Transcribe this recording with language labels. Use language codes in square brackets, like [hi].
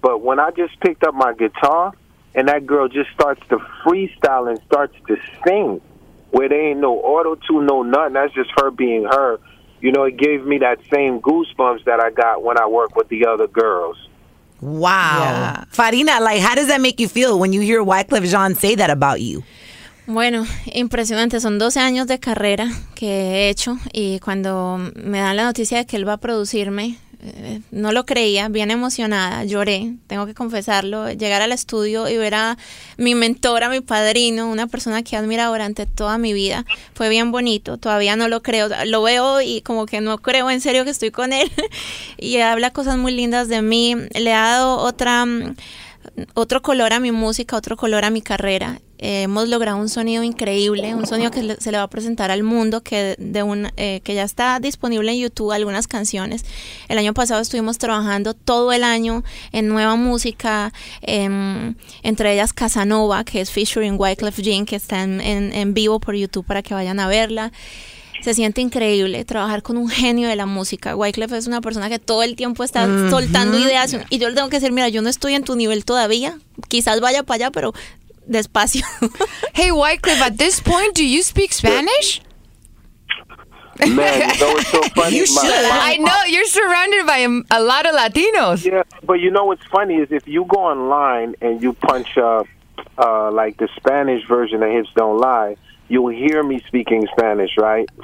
[en] But when I just picked up my guitar and that girl just starts to freestyle and starts to sing where there ain't no auto-tune, no nothing, that's just her being her. You know, it gave me that same goosebumps that I got when I worked with the other girls. Wow. Yeah. Farina, like, how does that make you feel when you hear Wyclef Jean say that about you? [es] Bueno, impresionante. Son 12 años de carrera que he hecho. Y cuando me dan la noticia de que él va a producirme, No lo creía, bien emocionada, lloré, tengo que confesarlo. Llegar al estudio y ver a mi mentor, a mi padrino, una persona que he admirado durante toda mi vida, fue bien bonito. Todavía no lo creo, lo veo y como que no creo en serio que estoy con él. Y habla cosas muy lindas de mí, le ha dado otro color a mi música, otro color a mi carrera. Hemos logrado un sonido increíble, un sonido que se le va a presentar al mundo, que ya está disponible en YouTube algunas canciones. El año pasado estuvimos trabajando todo el año en nueva música, entre ellas Casanova, que es featuring Wyclef Jean, que está en vivo por YouTube para que vayan a verla. Se siente increíble trabajar con un genio de la música. Wyclef es una persona que todo el tiempo está soltando ideas, y yo le tengo que decir, mira, yo no estoy en tu nivel todavía, quizás vaya para allá, pero despacio. [en] Hey, Wyclef, at this point, do you speak Spanish? Man, that was so funny. You should. I know. You're surrounded by a lot of Latinos. Yeah, but you know what's funny is if you go online and you punch up, like, the Spanish version of Hips Don't Lie, you'll hear me speaking Spanish, right?